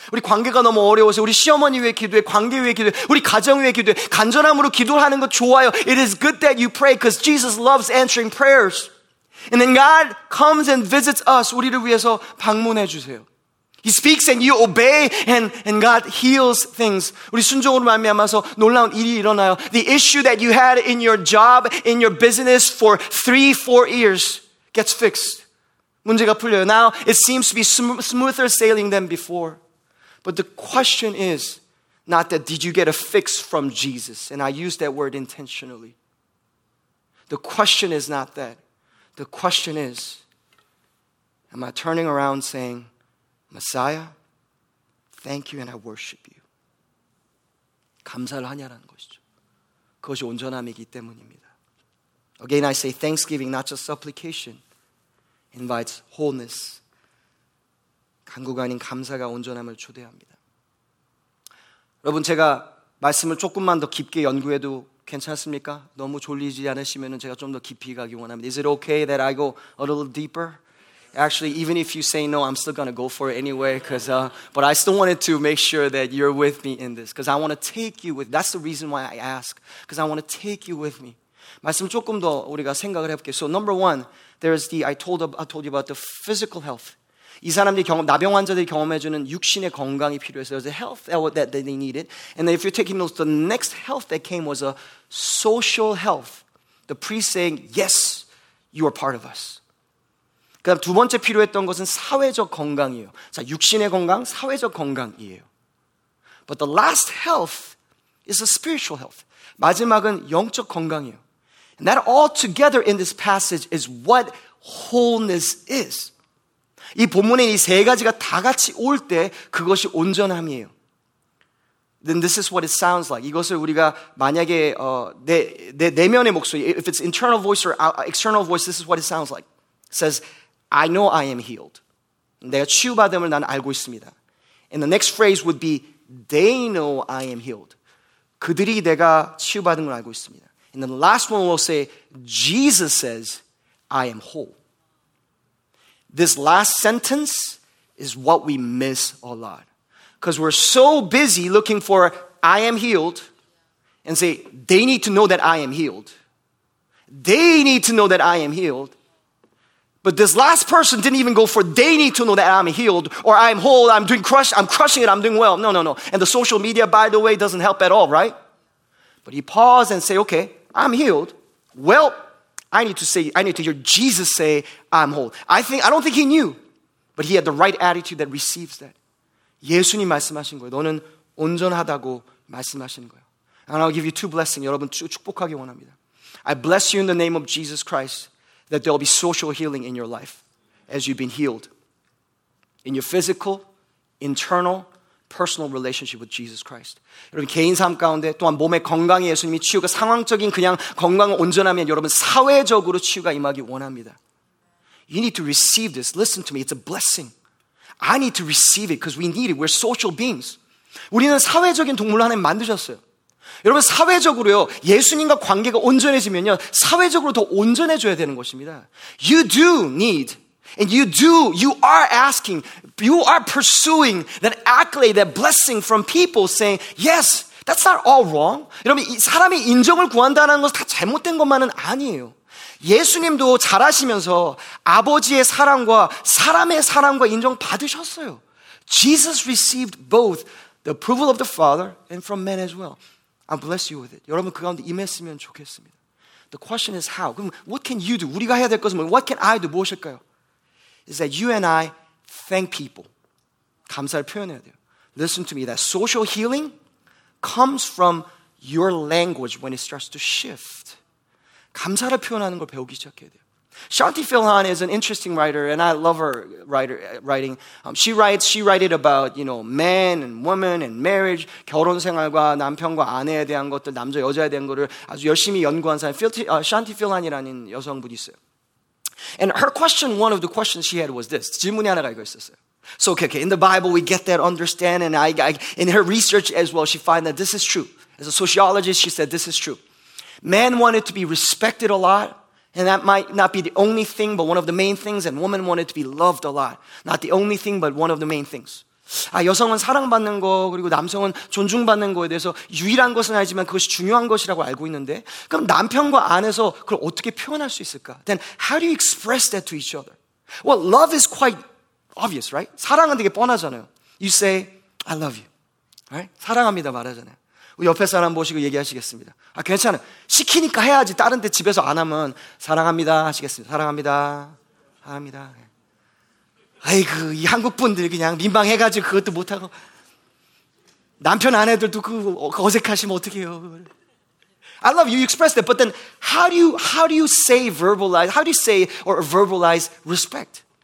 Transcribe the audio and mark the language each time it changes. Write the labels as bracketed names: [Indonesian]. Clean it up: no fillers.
[Korean] 우리 관계가 너무 어려워서 우리 시어머니 위해 기도해. 관계 위해 기도해. 우리 가정 위해 기도해. 간절함으로 기도하는 거 좋아요. [English] It is good that you pray because Jesus loves answering prayers. And then God comes and visits us. [Korean] 우리를 위해서 방문해 주세요. [English] He speaks and you obey and God heals things. [Korean] 우리 순종으로 말미암아서 놀라운 일이 일어나요. [English] The issue that you had in your job, in your business for 3-4 years gets fixed. [Korean] 문제가 풀려요. [English] Now it seems to be smoother sailing than before. But the question is not that did you get a fix from Jesus? And I use that word intentionally. The question is not that. The question is, am I turning around saying, Messiah, thank you and I worship you. [Korean] 감사를 하냐라는 것이죠. 그것이 온전함이기 때문입니다. [English] Again, I say thanksgiving, not just supplication, invites wholeness. [Korean] 간구가 아닌 감사가 온전함을 초대합니다. 여러분, 제가 말씀을 조금만 더 깊게 연구해도 괜찮습니까? 너무 졸리지 않으시면 제가 좀 더 깊이 가기 원합니다. [English] Is it okay that I go a little deeper? Actually, even if you say no, I'm still going to go for it anyway. But I still wanted to make sure that you're with me in this. Because I want to take you with me. That's the reason why I ask. Because I want to take you with me. [Korean] 말씀 조금 더 우리가 생각을 해볼게요. [English] So number one, there's the, I told you about the physical health. [Korean] 이 사람들이 경험, 나병 환자들이 경험해주는 육신의 건강이 필요해서 [English] there's a health that they needed. And then if you're taking notes, the next health that came was a social health. The priest saying, yes, you are part of us. [Korean] 그다음 두 번째 필요했던 것은 사회적 건강이에요. 자, 육신의 건강, 사회적 건강이에요. [English] But the last health is a spiritual health. [Korean] 마지막은 영적 건강이에요. [English] And that all together in this passage is what wholeness is. [Korean] 이 본문에 이 세 가지가 다 같이 올 때 그것이 온전함이에요. [English] Then this is what it sounds like. [Korean] 이것을 우리가 만약에 내면의 목소리, [English] if it's internal voice or external voice, this is what it sounds like. It says, I know I am healed. 내가 치유받음을 난 알고 있습니다. And the next phrase would be, they know I am healed. 그들이 내가 치유받은 걸 알고 있습니다. And then the last one will say, Jesus says, I am whole. This last sentence is what we miss a lot. Because we're so busy looking for, I am healed. And say, they need to know that I am healed. They need to know that I am healed. But this last person didn't even go for, they need to know that I'm healed, or I'm whole, I'm crushing it, I'm doing well. No. And the social media, by the way, doesn't help at all, right? But he paused and say, okay, I'm healed. Well, I need to hear Jesus say, I'm whole. I don't think he knew, but he had the right attitude that receives that. [Korean] 예수님 말씀하신 거예요. 너는 온전하다고 말씀하신 거예요. [English] And I'll give you two blessings. [Korean] 여러분 축복하기 원합니다. [English] I bless you in the name of Jesus Christ. That there'll be social healing in your life as you've been healed in your physical, internal, personal relationship with Jesus Christ. [Korean] 여러분 개인 삶 가운데 또한 몸의 건강에 예수님이 치유가 상황적인 그냥 건강을 온전하면 여러분 사회적으로 치유가 임하기 원합니다. [English] You need to receive this. Listen to me. It's a blessing. I need to receive it because we need it. We're social beings. [Korean] 우리는 사회적인 동물로 하나님 만드셨어요. 여러분 사회적으로요 예수님과 관계가 온전해지면요 사회적으로 더 온전해져야 되는 것입니다. [English] You do need and you do, you are asking, you are pursuing that accolade, that blessing from people saying yes, that's not all wrong. [Korean] 여러분 사람의 인정을 구한다는 것은 다 잘못된 것만은 아니에요. 예수님도 잘하시면서 아버지의 사랑과 사람의 사랑과 인정 받으셨어요. [English] Jesus received both the approval of the Father and from men as well. I bless you with it. [Korean] 여러분 그 가운데 임했으면 좋겠습니다. [English] The question is how? [Korean] 그럼 [English] what can you do? [Korean] 우리가 해야 될 것은 뭐예요? [English] What can I do? [Korean] 무엇일까요? [English] Is that you and I thank people. [Korean] 감사를 표현해야 돼요. [English] Listen to me. That social healing comes from your language when it starts to shift. [Korean] 감사를 표현하는 걸 배우기 시작해야 돼요. [English] Shanti Philhan is an interesting writer, and I love her writing. She writes about, you know, men and women and marriage, [Korean] 결혼 생활과 남편과 아내에 대한 것들, 남자 여자에 대한 것을 아주 열심히 연구한 사람, Shanti Philhan이라는 여성분이 있어요. [English] And her question, one of the questions she had was this. [Korean] 질문이 하나가 이거 있었어요. [English] So okay, in the Bible we get that understand, and I in her research as well, she find that this is true. As a sociologist, she said this is true. Men wanted to be respected a lot. And that might not be the only thing, but one of the main things. And woman wanted to be loved a lot. Not the only thing, but one of the main things. [Korean] 아, 여성은 사랑받는 거, 그리고 남성은 존중받는 거에 대해서 유일한 것은 알지만 그것이 중요한 것이라고 알고 있는데 그럼 남편과 아내에서 그걸 어떻게 표현할 수 있을까? [English] Then how do you express that to each other? Well, love is quite obvious, right? [Korean] 사랑은 되게 뻔하잖아요. [English] You say, I love you. Right? [Korean] 사랑합니다 말하잖아요. 옆에 사람 보시고 얘기하시겠습니다. 아 괜찮아. 시키니까 해야지. 다른 데 집에서 안 하면 사랑합니다 하시겠습니다. 사랑합니다. 합니다. 아이고, 이 한국분들 그냥 민망해가지고 그것도 못하고 남편 아내들도 그 어색하시면 어떡해요. [English] I love you, you express that, but then how do you say verbalize, how do you say or verbalize respect?